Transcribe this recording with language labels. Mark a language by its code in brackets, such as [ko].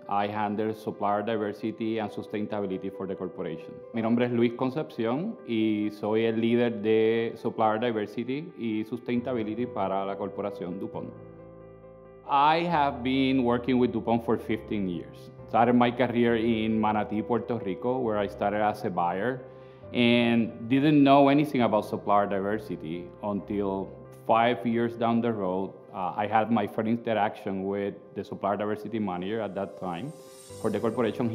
[en] I handle supplier diversity and sustainability for the corporation. [es] Mi nombre es Luis Concepcion y soy el líder de supplier diversity y sustainability para la corporación DuPont. [en] I have been working with DuPont for 15 years. Started my career in Manatee, Puerto Rico, where I started as a buyer and didn't know anything about supplier diversity until 5 years down the road, I had my first interaction with the supplier diversity manager at that time for the corporation.